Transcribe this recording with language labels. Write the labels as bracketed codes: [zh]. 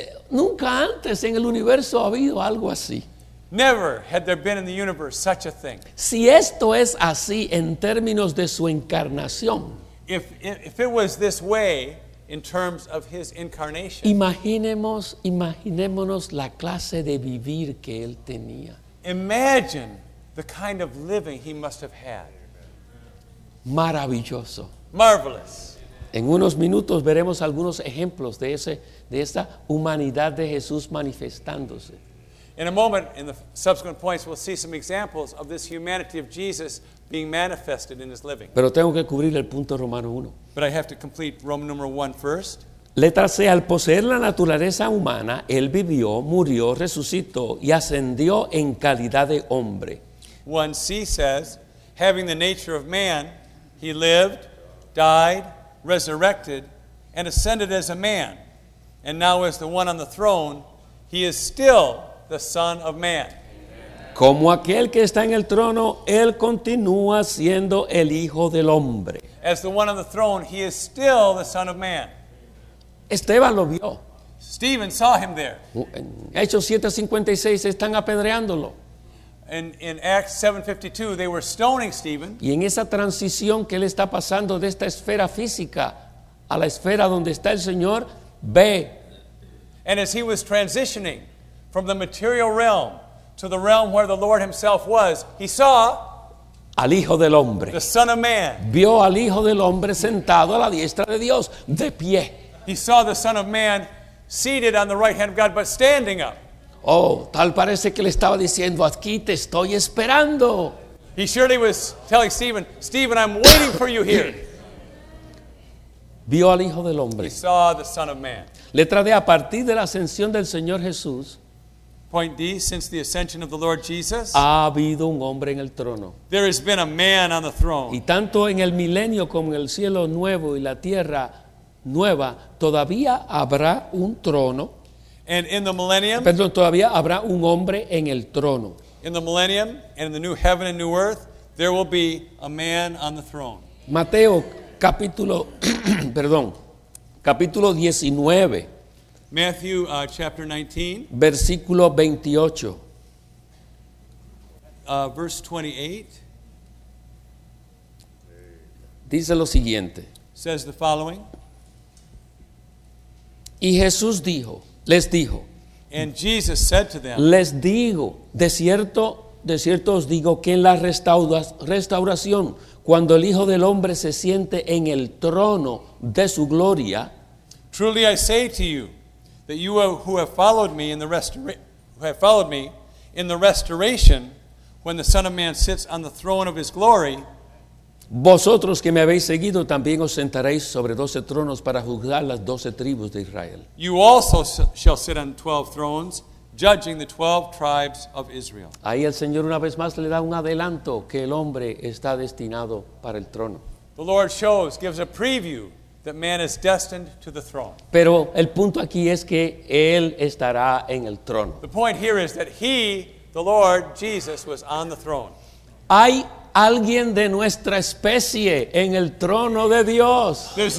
[es] Nunca antes en el universo ha habido algo así. [en] Never had there been in the universe such a thing. [es] Si esto es así en términos de su encarnación. [en] If it was this way. In terms of his incarnation. [es] Imaginémonos la clase de vivir que él tenía. [en] Imagine the kind of living he must have had. [es] Maravilloso. [en] Marvelous. [es] En unos minutos veremos algunos ejemplos de esa humanidad de Jesús manifestándose. [en] In a moment, in the subsequent points, we'll see some examples of this humanity of Jesus being manifested in his living. [es] Pero tengo que cubrir el punto romano uno. [en] But I have to complete Roman number one first. [es] Letra C, al poseer la naturaleza humana, él vivió, murió, resucitó y ascendió en calidad de hombre. [en] 1C says, having the nature of man, he lived, died, resurrected, and ascended as a man. And now as the one on the throne, he is still the Son of Man. [es] Como aquel que está en el trono, él continúa siendo el Hijo del Hombre. [en] As the one on the throne, he is still the Son of Man. [es] Esteban lo vio. [en] Stephen saw him there. [es] En Hechos 7:56 están apedreándolo. [en] In Acts 7:52 they were stoning Stephen. [es] Y en esa transición que él está pasando de esta esfera física a la esfera donde está el Señor, ve. [en] And as he was transitioning from the material realm to the realm where the Lord himself was, he saw [es] al Hijo del Hombre. [en] The Son of Man. [es] Vio al Hijo del Hombre sentado a la diestra de Dios, de pie. [en] He saw the Son of Man seated on the right hand of God, but standing up. [es] Oh, tal parece que le estaba diciendo, aquí te estoy esperando. [en] He surely was telling Stephen, Stephen, I'm waiting for you here. [es] Vio al Hijo del Hombre. [en] He saw the Son of Man. [es] Letra D, a partir de la ascensión del Señor Jesús. [en] Point D, since the ascension of the Lord Jesus. [es] Ha habido un hombre en el trono. [en] There has been a man on the throne. [es] Y tanto en el milenio como en el cielo nuevo y la tierra nueva, todavía habrá un trono. [en] And in the millennium. [es] Perdón, todavía habrá un hombre en el trono. [en] In the millennium and in the new heaven and new earth, there will be a man on the throne. [es] Mateo capítulo, perdón, capítulo 19. [en] Matthew chapter 19. [es] Versículo 28. [en] Verse 28. [es] Dice lo siguiente. [en] Says the following. [es] Y Jesús dijo, les dijo. [en] And Jesus said to them. [es] Les digo, de cierto os digo que en la restauración, cuando el Hijo del Hombre se siente en el trono de su gloria. [en] Truly I say to you, that you who have followed me in the restoration, when the Son of Man sits on the throne of his glory, [es] vosotros que me habéis seguido también os sentaréis sobre 12 tronos para juzgar las 12 tribus de Israel. [en] You also shall sit on 12 thrones, judging the 12 tribes of Israel. [es] Ahí el Señor una vez más le da un adelanto que el hombre está destinado para el trono. [en] The Lord shows, gives a preview that man is destined to the throne. [es] Pero el punto aquí es que él estará en el trono. [en] The point here is that he, the Lord Jesus, was on the throne. [es] Hay alguien de nuestra especie en el trono de Dios.